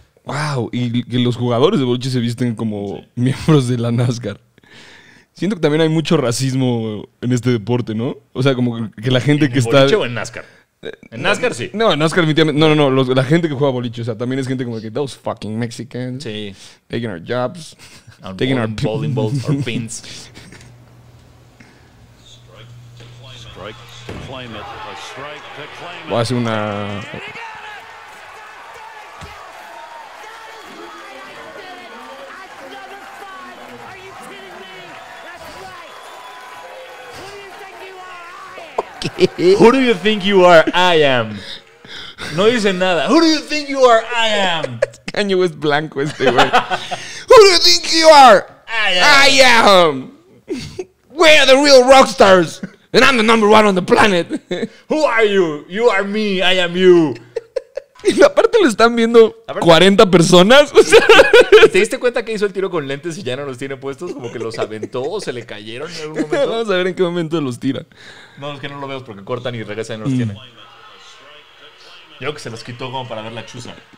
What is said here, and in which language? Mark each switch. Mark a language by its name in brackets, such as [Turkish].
[Spanish] Wow, y que los jugadores de boliche se visten como miembros de la NASCAR. Siento que también hay mucho racismo en este deporte, ¿no? O sea, como que la gente que está... ¿En boliche o en NASCAR? En NASCAR, sí. No, en NASCAR, definitivamente. No, no, no. La gente que juega boliche. O sea, también es gente como que... [English] Those fucking Mexicans. [Spanish] Sí. [English] Taking our jobs. Taking our bowling balls. Our pins. [Spanish] Voy a hacer una... [English] Who do you think you are? I am. [Spanish] No dice nada. [English] Who do you think you are? I am. Kanye West [Spanish] blanco este, güey. [English] Who do you think you are? I am. I am. We are the real rock stars. And I'm the number one on the planet. Who are you? You are me. I am you. [Spanish] Y aparte lo están viendo 40 personas. O sea, ¿te diste cuenta que hizo el tiro con lentes y ya no los tiene puestos? Como que los aventó o se le cayeron en algún momento. Vamos a ver en qué momento los tira. No, es que no lo veo porque cortan y regresan y no los tienen. Yo creo que se los quitó como para ver la chusa.